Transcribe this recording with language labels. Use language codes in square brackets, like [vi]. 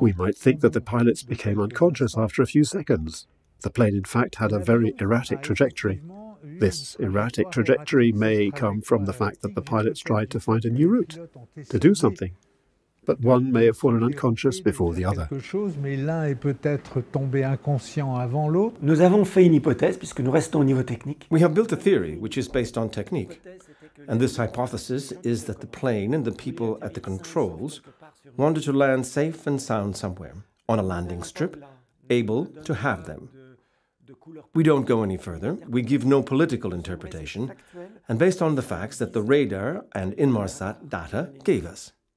[en] We might think that the pilots became unconscious after a few seconds. The plane, in fact, had a very erratic trajectory. This erratic trajectory may come from the fact that the pilots tried to find a new route, to do something. But one may have fallen unconscious before the other. [fr] Mais l'un est peut-être tombé inconscient avant l'autre. Nous avons fait une hypothèse puisque nous restons au niveau technique. [en] We have built a theory which is based on technique. And this hypothesis is that the plane and the people at the controls wanted to land safe and sound somewhere on a landing strip able to have them. We don't go any further. We give no political interpretation and based on the facts that the radar and Inmarsat data gave us.